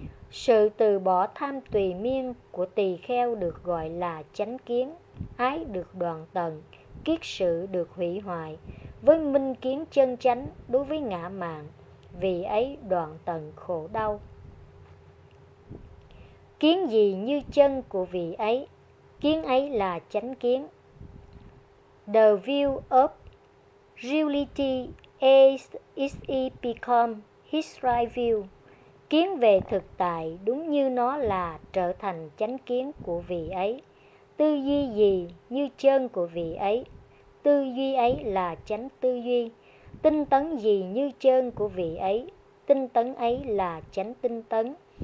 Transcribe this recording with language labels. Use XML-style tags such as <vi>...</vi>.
<vi>sự từ bỏ tham tùy miên của tỳ kheo được gọi là chánh kiến, ái được đoạn tận, kiết sự được hủy hoại, với minh kiến chân chánh đối với ngã mạn, vì ấy đoạn tận khổ đau. Kiến gì như chân của vị ấy? Kiến ấy là chánh kiến.</vi> <en>The view of reality is it become his right view.</en> <vi>Kiến về thực tại đúng như nó là trở thành chánh kiến của vị ấy. Tư duy gì như chân của vị ấy? Tư duy ấy là chánh tư duy. Tinh tấn gì như chân của vị ấy? Tinh tấn ấy là chánh tinh tấn.</vi>